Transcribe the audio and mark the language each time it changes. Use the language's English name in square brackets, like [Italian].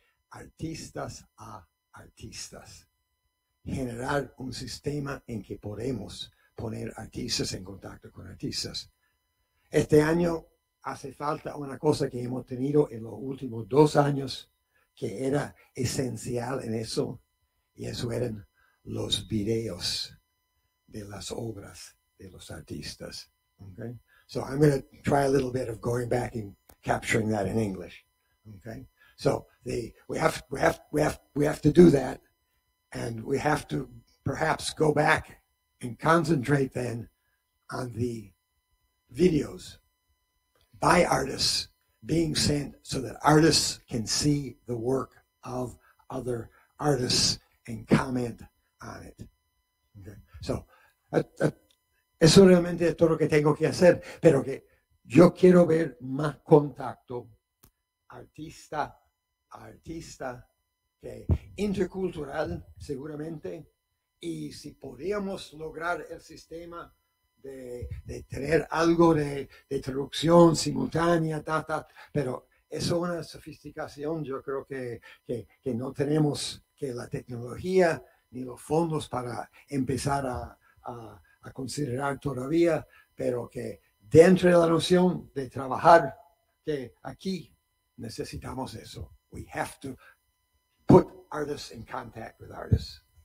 [Spanish] Artistas a artistas. Generar un sistema en que podemos poner artistas en contacto con artistas. Este año hace falta una cosa que hemos tenido en los últimos 2 años que era esencial en eso, y eso eran los videos de las obras de los artistas. [English] Okay. So I'm going to try a little bit of going back and capturing that in English. Okay. So we have to do that, and we have to perhaps go back and concentrate then on the videos by artists being sent so that artists can see the work of other artists and comment on it. Okay. [Spanish] So eso realmente es todo lo que tengo que hacer, pero que yo quiero ver más contacto artista a artista, que intercultural seguramente, y si podíamos lograr el sistema de tener algo de traducción simultánea, pero eso es una sofisticación, yo creo que no tenemos que la tecnología ni los fondos para empezar a considerar todavía, pero que dentro de la noción de trabajar, que aquí necesitamos eso. [English] We have to put artists in contact with artists.